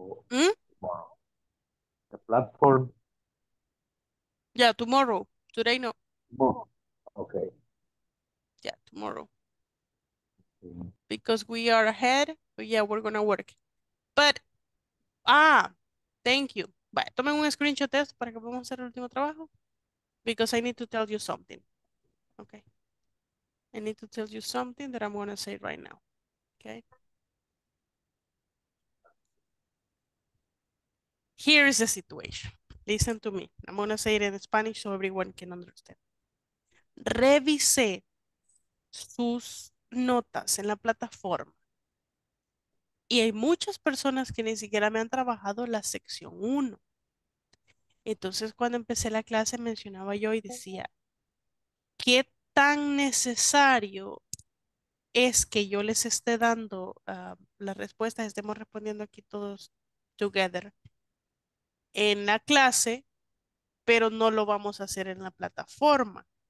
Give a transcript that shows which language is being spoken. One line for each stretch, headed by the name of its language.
English: The platform. Yeah, tomorrow. Today, no. Okay. Yeah, tomorrow. Because we are ahead, but yeah, we're gonna work. But thank you.
Spanish: Vaya, tomen un screenshot test para que podamos hacer el último trabajo.
English: Because I need to tell you something. Okay. I need to tell you something that I'm gonna say right now. Okay. Here is the situation. Listen to me. I'm gonna say it in Spanish so everyone can understand.
Spanish: Revisé sus notas en la plataforma y hay muchas personas que ni siquiera me han trabajado la sección 1. Entonces cuando empecé la clase mencionaba yo y decía, ¿qué tan necesario es que yo les esté dando las respuestas, estemos respondiendo aquí todos
English: together
Spanish: en la clase, pero no lo vamos a hacer en la plataforma?